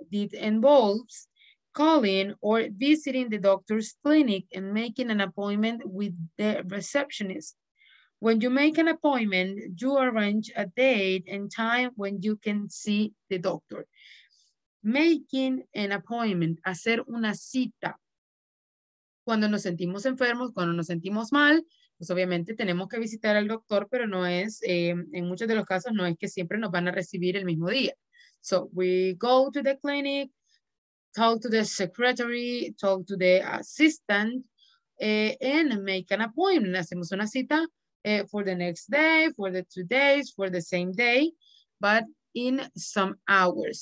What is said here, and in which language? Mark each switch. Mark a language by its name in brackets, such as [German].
[English] It involves calling or visiting the doctor's clinic and making an appointment with the receptionist. When you make an appointment, you arrange a date and time when you can see the doctor. Making an appointment, [Spanish] hacer una cita. Cuando nos sentimos enfermos, cuando nos sentimos mal, pues obviamente tenemos que visitar al doctor, pero no es, en muchos de los casos, no es que siempre nos van a recibir el mismo día. [English] So we go to the clinic, talk to the secretary, talk to the assistant, and make an appointment. [Spanish] Hacemos una cita [English] for the next day, for the 2 days, for the same day, but in some hours.